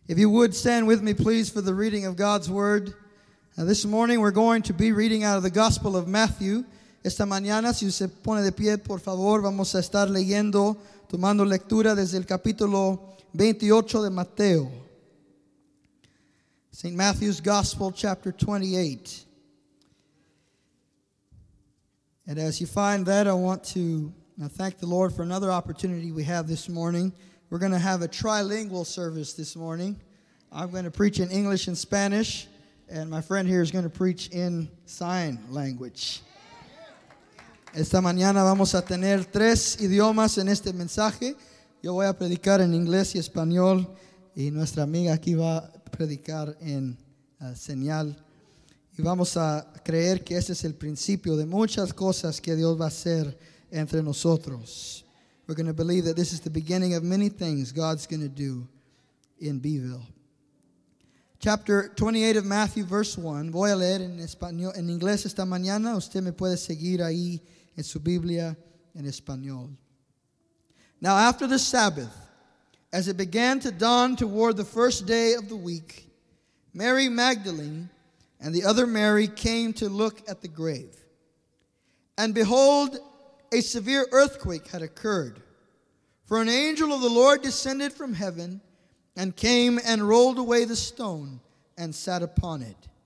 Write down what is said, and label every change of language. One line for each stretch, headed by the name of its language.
English: If you would stand with me, please, for the reading of God's word. Now, this morning we're going to be reading out of the Gospel of Matthew.
Spanish: Esta mañana, si se pone de pie, por favor, vamos a estar leyendo, tomando lectura desde el capítulo 28 de Mateo.
English: St. Matthew's Gospel, chapter 28. And as you find that, I want to thank the Lord for another opportunity we have this morning. We're going to have a trilingual service this morning. I'm going to preach in English and Spanish, and my friend here is going to preach in sign language.
Spanish: Esta mañana vamos a tener tres idiomas en este mensaje. Yo voy a predicar en inglés y español, y nuestra amiga aquí va a predicar en señal. Y vamos a creer que este es el principio de muchas cosas que Dios va a hacer entre nosotros.
English: We're going to believe that this is the beginning of many things God's going to do in Beeville. Chapter 28 of Matthew, verse 1.
Spanish: Voy a leer en español, en inglés esta mañana. Usted me puede seguir ahí en su Biblia en español.
English: Now, after the Sabbath, as it began to dawn toward the first day of the week, Mary Magdalene and the other Mary came to look at the grave. And behold, a severe earthquake had occurred, for an angel of the Lord descended from heaven and came and rolled away the stone and sat upon it.